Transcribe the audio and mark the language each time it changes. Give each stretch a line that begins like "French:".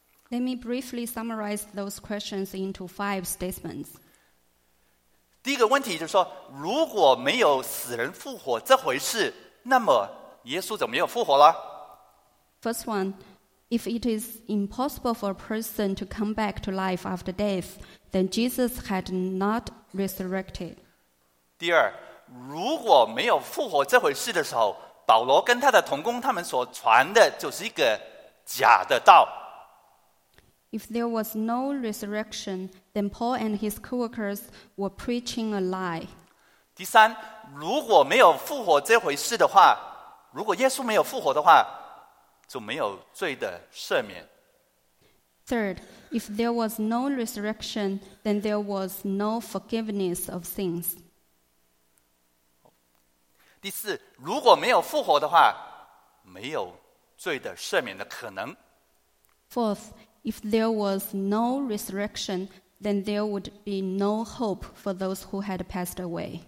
English: Let me briefly summarize those questions into five statements.
Chinese: 第一个问题就是说，如果没有死人复活这回事，那么耶稣怎么又复活了？
English: First one, if it is impossible for a person to come back to life after death, then Jesus had not resurrected.
Chinese: 第二，如果没有复活这回事的时候，保罗跟他的同工他们所传的就是一个假的道。
English: If there was no resurrection, then Paul and his co-workers were preaching a lie.
Chinese: 第三，如果没有复活这回事的话，如果耶稣没有复活的话，就没有罪的赦免。
English: Third, if there was no resurrection, then there was no forgiveness of sins.
Chinese: 第四，如果没有复活的话，没有罪的赦免的可能。
English: Fourth, if there was no resurrection, then there would be no hope for those who had passed away.